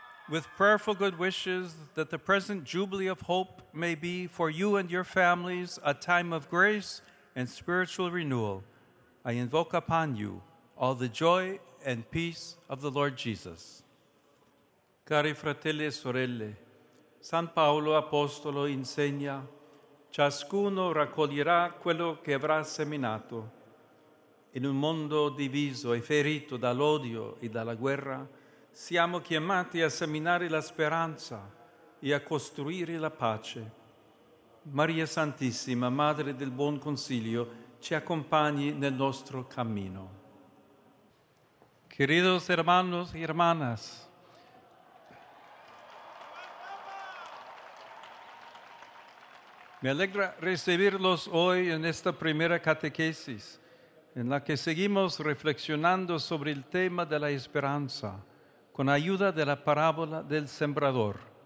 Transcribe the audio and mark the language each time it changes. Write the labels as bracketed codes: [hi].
[en] With prayerful good wishes that the present Jubilee of Hope may be for you and your families a time of grace and spiritual renewal, I invoke upon you all the joy and peace of the Lord Jesus. [it] Cari fratelli e sorelle, San Paolo Apostolo insegna: ciascuno raccoglierà quello che avrà seminato. In un mondo diviso e ferito dall'odio e dalla guerra, siamo chiamati a seminare la speranza e a costruire la pace. Maria Santissima, Madre del Buon Consiglio, ci accompagni nel nostro cammino. [es] Queridos hermanos y hermanas, me alegra recibirlos hoy en esta primera catequesis, en la que seguimos reflexionando sobre el tema de la esperanza, con ayuda de la parábola del sembrador.